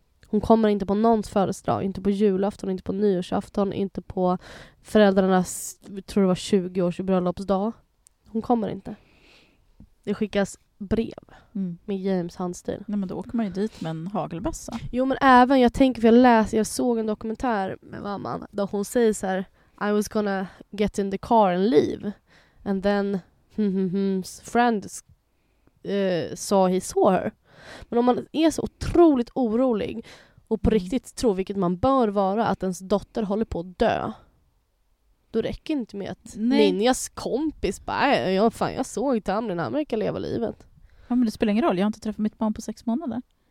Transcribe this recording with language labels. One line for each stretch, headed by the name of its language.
Swedish: Hon kommer inte på någons födelsedag, inte på julafton, inte på nyårsafton, inte på föräldrarnas, tror det var 20-års bröllopsdag. Hon kommer inte. Det skickas brev med James handstil. Nej, men då åker man ju dit med en hagelbössa. Jo, men även, jag tänker, för jag såg en dokumentär med mamman där hon säger så här:
English: I was gonna get in the car and leave. And then his friend saw he saw her.
Swedish: Men om man är så otroligt orolig och på riktigt tror, vilket man bör vara, att ens dotter håller på att dö, då räcker inte med att Ninjas kompis bara, jag såg inte Tamlin, han verkar leva livet. Ja, men det spelar ingen roll, jag har inte träffat mitt barn på 6 månader.